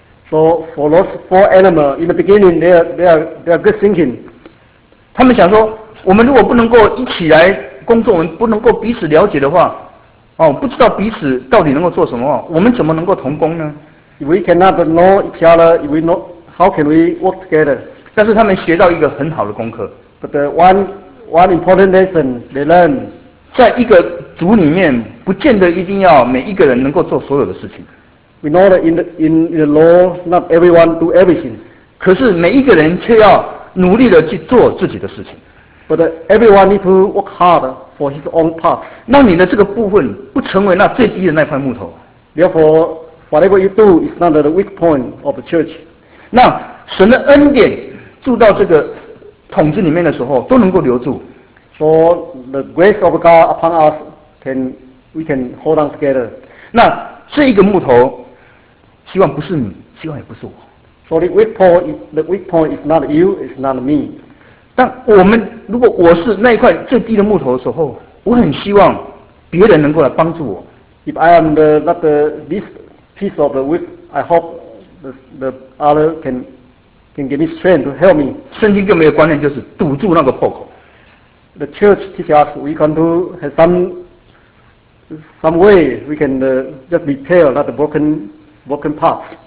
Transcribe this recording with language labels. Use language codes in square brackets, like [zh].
[en] So for those four animals, in the beginning, they are good thinking. [zh] 他们想说，我们如果不能够一起来工作，我们不能够彼此了解的话，哦，不知道彼此到底能够做什么，我们怎么能够同工呢？ [en] If we cannot know each other, if we know, how can we work together? [zh] 但是他们学到一个很好的功课。 [en] But the one important lesson they learn, [zh] 在一个组里面，不见得一定要每一个人能够做所有的事情。 [en] We know that in the law, not everyone do everything. [zh] 可是每一个人却要努力的去做自己的事情。 [en] But everyone need to work hard for his own part. [zh] 那你的这个部分不成为那最低的那块木头。 [en] Therefore, whatever you do is not the weak point of the church. [zh] 那神的恩典住到这个桶子里面的时候，都能够留住。 [en] So the grace of God upon us can we can hold on together. [zh] 那这一个木头，希望不是你，希望也不是我。 [en] So the weak point is not you, it's not me. [zh] 但我们如果我是那一块最低的木头的时候，我很希望别人能够来帮助我。 [en] If I am this piece of the weak, I hope the other can give me strength to help me. [zh] 圣经给我们的观念就是堵住那个破口。 [en] The church teaches us we can do have some way we can just repair that broken parts.